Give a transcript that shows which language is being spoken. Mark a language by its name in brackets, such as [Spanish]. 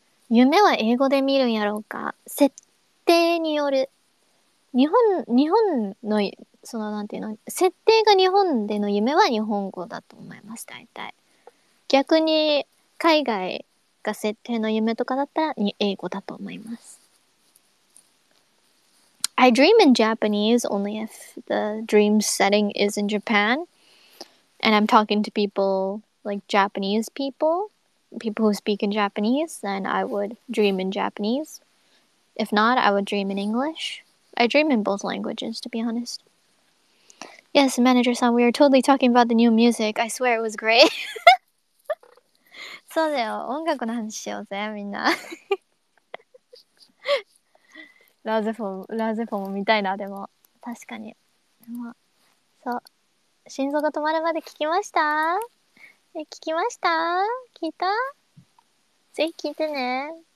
[Japanese] 夢は英語で見るんやろうか。設定による、日本のそのなんていうの、設定が日本での夢は日本語だと思います。大体逆に海外が設定の夢とかだったらに英語だと思います。 [English] I dream in Japanese only if the dream setting is in Japan and I'm talking to people like Japanese people who speak in Japanese, then I would dream in Japanese. If not, I would dream in English. I dream in both languages, to be honest. Yes, manager-san, we are totally talking about the new music. I swear it was great. [Japanese] そうだよ、音楽の話しようぜ、みんな。ラーゼフォーも見たいな、でも。確かに。でも、そう。心臓が止まるまで聞きました?え、聞きました?聞いた?ぜひ聞いてね。